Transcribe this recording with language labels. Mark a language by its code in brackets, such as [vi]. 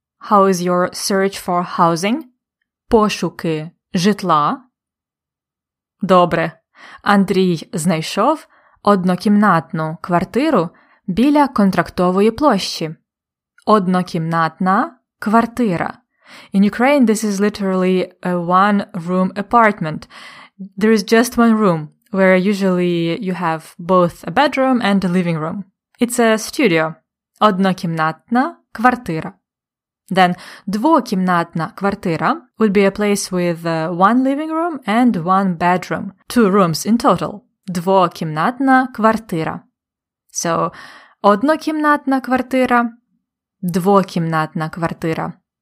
[en] How is your search for housing? [uk] Пошуки житла? Добре, Андрій знайшов однокімнатну квартиру біля Контрактової площі. Однокімнатна квартира. [en] In Ukraine, this is literally a one-room apartment. There is just one room, where usually you have both a bedroom and a living room. It's a studio. Однокімнатна квартира. Then, [uk] двокімнатна квартира [en] would be a place with one living room and one bedroom. Two rooms in total. [uk] Двокімнатна квартира. [en] So, [uk] однокімнатна квартира, двокімнатна квартира.